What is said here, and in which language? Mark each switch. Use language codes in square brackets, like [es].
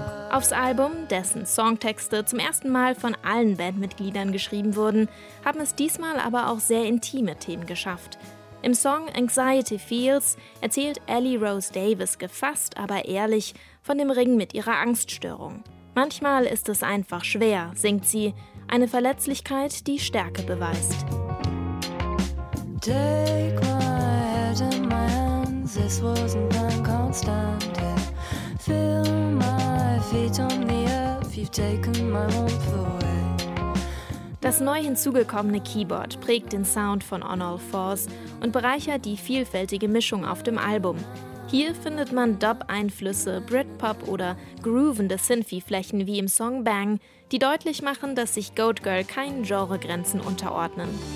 [de] Aufs Album, dessen Songtexte zum ersten Mal von allen Bandmitgliedern geschrieben wurden, haben es diesmal aber auch sehr intime Themen geschafft. Im Song Anxiety Feels erzählt Ellie Rose Davis gefasst, aber ehrlich von dem Ring mit ihrer Angststörung. Manchmal ist es einfach schwer, singt sie. Eine Verletzlichkeit, die Stärke beweist. [en] Take my head in my hands, this wasn't done constant. Feel my feet on the earth, you've taken my warmth away. [de] Das neu hinzugekommene Keyboard prägt den Sound von On All Fours und bereichert die vielfältige Mischung auf dem Album. Hier findet man Dub-Einflüsse, Britpop oder groovende Synthie-Flächen wie im Song Bang, die deutlich machen, dass sich Goat Girl keinen Genregrenzen unterordnen.